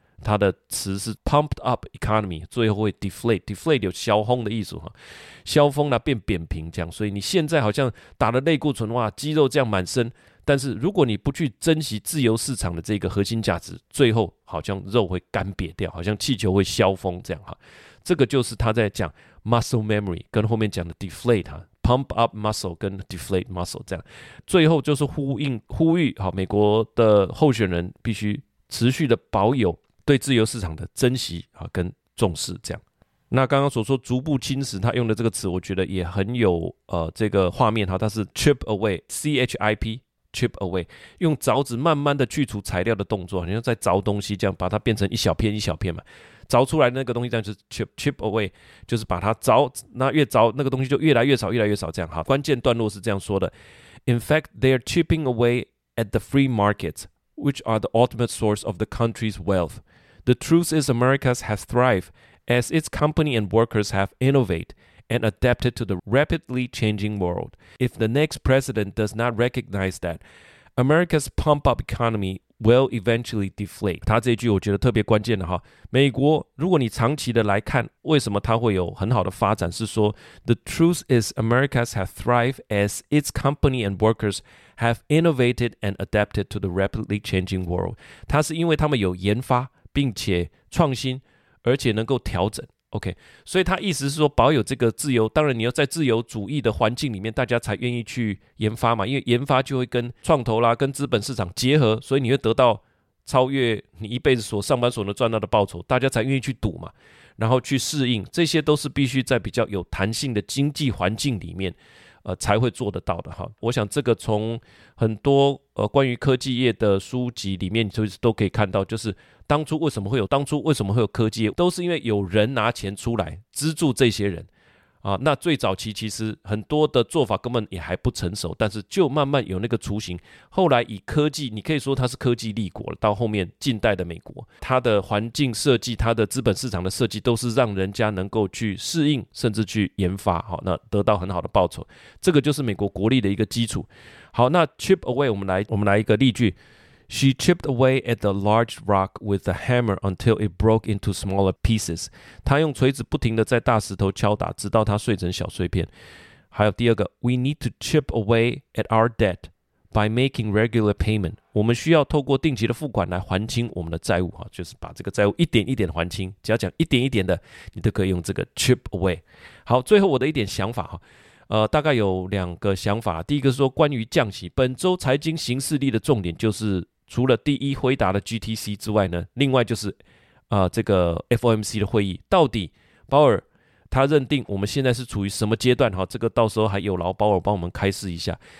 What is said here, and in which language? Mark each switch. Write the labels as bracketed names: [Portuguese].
[Chinese] 他的词是 [English] pumped up economy， [Chinese] 最后会 deflate， deflate 有消轰的意思，消峰啊变扁平这样。所以你现在好像打了类固醇哇，肌肉这样满身，但是如果你不去珍惜自由市场的这个核心价值，最后好像肉会干瘪掉，好像气球会消峰这样。这个就是他在讲 [English] muscle memory [Chinese] 跟后面讲的 deflate， [English] pump up muscle [Chinese] 跟 [English] deflate muscle [Chinese] 这样。最后就是呼吁美国的候选人必须持续的保有对自由市场的珍惜跟重视这样。那刚刚所说逐步侵蚀，他用的这个词我觉得也很有这个画面，它是 chip away， C-H-I-P chip away， 用凿子慢慢的去除材料的动作，好像在凿东西这样，把它变成一小片一小片嘛，凿出来那个东西这样就是 chip away， 就是把它凿，那越凿那个东西就越来越少越来越少这样。 [English] 好，关键段落是这样说的， In fact they are chipping away at the free marketwhich are the ultimate source of the country's wealth. The truth is America has thrived as its company and workers have innovated and adapted to the rapidly changing world. If the next president does not recognize that, America's pump-up economy will eventually deflate. [Chinese] 他这一句我觉得特别关键的哈。美国如果你长期的来看为什么它会有很好的发展，是说 [English] The truth is America has thrived as its company and workers have innovated and adapted to the rapidly changing world. [Chinese] 它是因为他们有研发并且创新而且能够调整。 OK， 所以他意思是说保有这个自由，当然你要在自由主义的环境里面大家才愿意去研发嘛，因为研发就会跟创投啦跟资本市场结合，所以你会得到超越你一辈子所上班所能赚到的报酬，大家才愿意去赌嘛，然后去适应，这些都是必须在比较有弹性的经济环境里面才会做得到的哈。我想这个从很多关于科技业的书籍里面就是都可以看到，就是当初为什么会有科技业，都是因为有人拿钱出来资助这些人啊。那最早期其实很多的做法根本也还不成熟，但是就慢慢有那个雏形，后来以科技，你可以说它是科技立国了，到后面近代的美国它的环境设计它的资本市场的设计都是让人家能够去适应甚至去研发、啊、那得到很好的报酬，这个就是美国国力的一个基础。好，那 [English] chip away， [Chinese] 我们来一个例句， [English] She chipped away at the large rock with a hammer until it broke into smaller pieces. [Chinese] 她用锤子不停地在大石头敲打，直到它碎成小碎片。还有第二个 [English] ,We need to chip away at our debt by making regular payment. [Chinese] 我们需要透过定期的付款来还清我们的债务，就是把这个债务一点一点还清，只要讲一点一点的，你都可以用这个 chip away。好，最后我的一点想法。大概有两个想法，第一个是说关于降息，本周财经形势力的重点就是除了第一回答的 GTC 之外呢，另外就是这个 FOMC 的会议，到底鲍尔他认定我们现在是处于什么阶段，这个到时候还有劳鲍尔帮我们开示一下。